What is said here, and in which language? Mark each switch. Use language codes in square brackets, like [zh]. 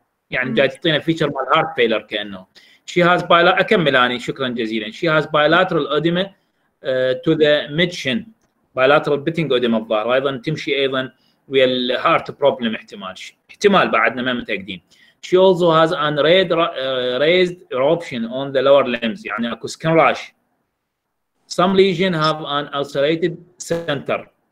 [ar] يعني جاي تعطينا فيتشر مال هارت فيلر كانه. [en] She has bilateral [ar] اكمل اني شكرا جزيلا. [en] She has bilateral edema to the mid shin. Bilateral beating edema [ar] الظاهر ايضا تمشي ايضا ويا الهارت بروبلم احتمال. احتمال بعدنا ما متاكدين. [en] She also has an raised eruption on the lower limbs [ar] يعني اكو [en] skin rash. Some lesion have an ulcerated center.